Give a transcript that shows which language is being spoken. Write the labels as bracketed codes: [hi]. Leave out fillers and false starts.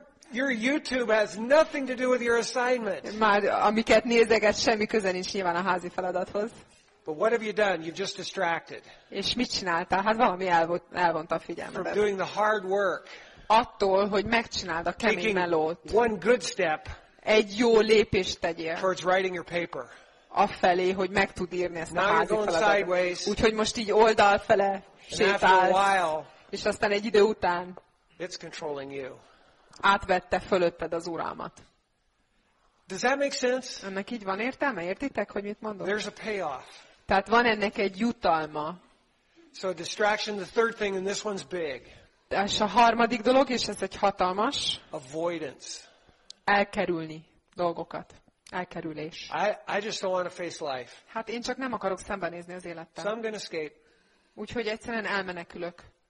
[en] Your YouTube has nothing to do with your assignment. [hu] Már amiket nézeget semmi köze nincs nyilván a házi feladathoz. [en] But what have you done? You've just distracted. [hu] És mit csináltál? Hát valami elvont a figyelmedet. [en] From doing the hard work. [hu] Attól, hogy megcsináld a kemény melót. [en] One good step. [hu] Egy jó lépést tegyél. [en] Towards writing your paper. [hu] Afelé, hogy meg tud írni ezt [en] now [hu] a házi feladatot. [en] Now you're going sideways. [hu] Úgyhogy most így oldalfele sétálsz. [en] While, [hu] és aztán egy idő után. [en] It's controlling you. [hu] Átvette fölötted az uralmat. [en] Does that make sense? [hu] Ennek így van értelme? Értitek, hogy mit mondok? [en] There's a payoff. [hu] Tehát van ennek egy jutalma. [en] So a distraction, the third thing, and this one's big. [hu] És a harmadik dolog, és ez egy hatalmas. [en] Avoidance. [hu] Elkerülni dolgokat. Elkerülés. [en] I just don't want to face life. [hu] Hát én csak nem akarok szembenézni az élettel. [en] So I'm gonna escape. [hu] Úgyhogy egyszerűen elmenekülök.